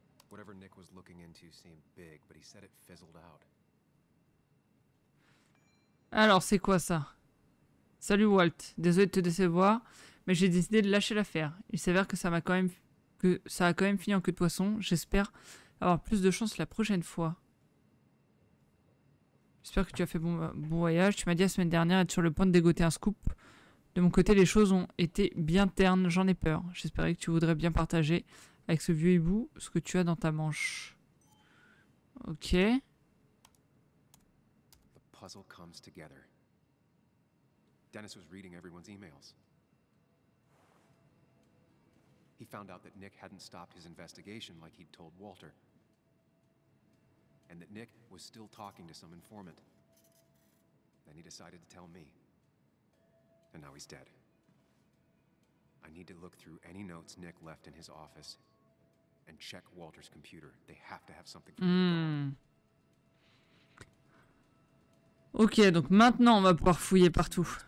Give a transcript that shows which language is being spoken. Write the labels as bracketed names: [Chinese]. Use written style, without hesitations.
[English] Whatever Nick was looking into seemed big, but he said it fizzled out. [French] Alors, c'est quoi ça? Salut Walt, désolé de te décevoir, mais j'ai décidé de lâcher l'affaire. Il s'avère que ça a quand même fini en queue de poisson. J'espère avoir plus de chance la prochaine fois. J'espère que tu as fait bon voyage. Tu m'as dit la semaine dernière être sur le point de dégoter un scoop. De mon côté, les choses ont été bien ternes. J'en ai peur. J'espérais que tu voudrais bien partager avec ce vieux hibou ce que tu as dans ta manche. [English] Ok. [French] Le puzzle [English] comes together. Dennis was reading everyone's emails. He found out that Nick hadn't stopped his investigation like he'd told Walter. And that Nick was still talking to some informant. Then he decided to tell me. And now he's dead. I need to look through any notes Nick left in his office and check Walter's computer. They have to have something for me. [French] Ok, donc maintenant on va pouvoir fouiller partout.